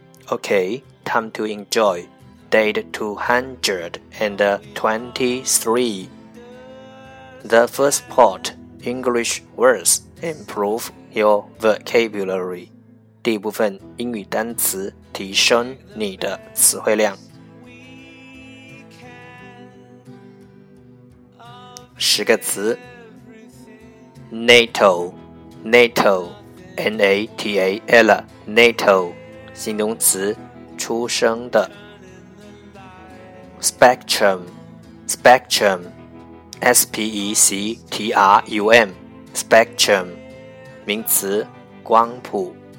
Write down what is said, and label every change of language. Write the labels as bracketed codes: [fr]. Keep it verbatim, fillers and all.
[en] Okay, time to enjoy. Day two hundred twenty-three. The first part, English words, improve your vocabulary. [zh] 第一部分英语单词，提升你的词汇量。十个词 NATO NATO N A T A L NATO 形容词，出生的。 [en] Spectrum Spectrum S P E C T R U M Spectrum [zh] 名词，光谱。